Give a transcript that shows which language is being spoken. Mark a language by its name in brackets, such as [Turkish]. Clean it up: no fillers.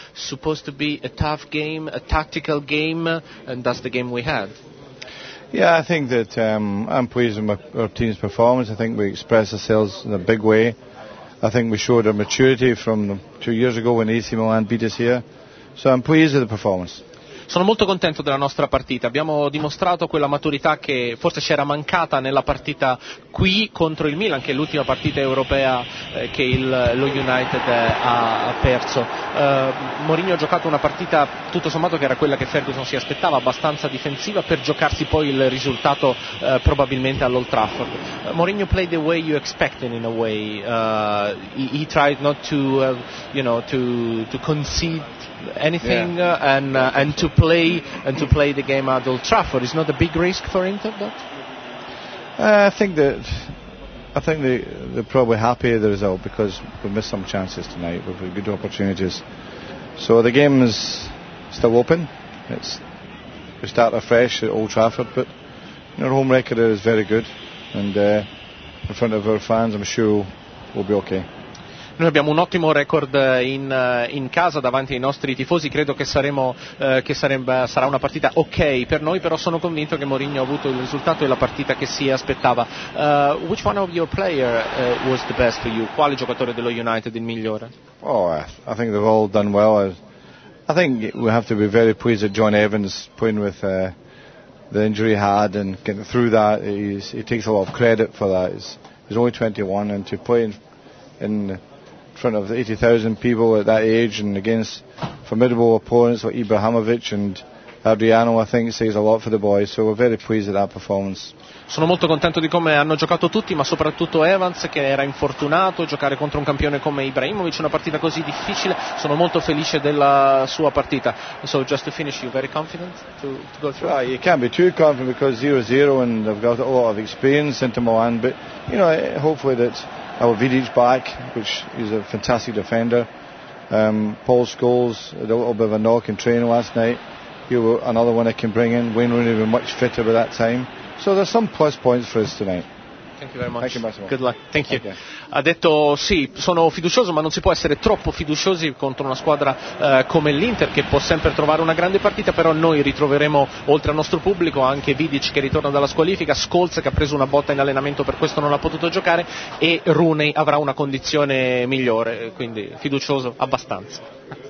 [English] Supposed to be a tough game, a tactical game, and that's the game we had. Yeah, I think that I'm pleased with our team's performance. I think we expressed ourselves in a big way. I think we showed our maturity from 2 years ago when AC Milan beat us here. So I'm pleased with the performance. [Italian] Sono molto contento della nostra partita. Abbiamo dimostrato quella maturità che forse c'era mancata nella partita qui contro il Milan, che è l'ultima partita europea che lo United ha perso. Mourinho ha giocato una partita, tutto sommato, che era quella che Ferguson si aspettava, abbastanza difensiva, per giocarsi poi il risultato probabilmente all'Old Trafford. [English] Mourinho played the way you expected, in a way. He tried not to, to concede anything, yeah. and to play the game at Old Trafford is not a big risk for Inter. But I think they're probably happy with the result, because we missed some chances tonight. We've had good opportunities, so the game is still open. We start afresh at Old Trafford, but our home record is very good, and in front of our fans, I'm sure we'll be okay. [Italian] Noi abbiamo un ottimo record in casa davanti ai nostri tifosi, credo che sarà una partita ok per noi, però sono convinto che Mourinho ha avuto il risultato e la partita che si aspettava. [English] Which one of your player was the best for you? [Italian] Quale giocatore dello United il migliore? [English] Oh, I think they've all done well. I think we have to be very pleased with John Evans, playing with the injury he had and getting through that. He takes a lot of credit for that. He's only 21, and to play in front of 80,000 people at that age and against formidable opponents like Ibrahimovic and Adriano, I think says a lot for the boys, so we're very pleased with that performance. [Italian] Sono molto contento di come hanno giocato tutti, ma soprattutto Evans, che era infortunato. Giocare contro un campione come Ibrahimovic, una partita così difficile, sono molto felice della sua partita. [English] So just to finish, you very confident to go through? Well, you can't be too confident, because 0-0 and I've got a lot of experience into Milan, but hopefully that our Vidic back, which is a fantastic defender, Paul Scholes had a little bit of a knock in training last night. Here, another one I can bring in. Wayne Rooney was much fitter by that time. So there's some plus points for us tonight. Thank you very much. Thank you, Massimo. Good luck. Thank you. [Italian] Ha detto sì, sono fiducioso, ma non si può essere troppo fiduciosi contro una squadra come l'Inter, che può sempre trovare una grande partita. Però noi ritroveremo, oltre al nostro pubblico, anche Vidic, che ritorna dalla squalifica, Scholes, che ha preso una botta in allenamento, per questo non ha potuto giocare, e Rooney avrà una condizione migliore. Quindi fiducioso abbastanza.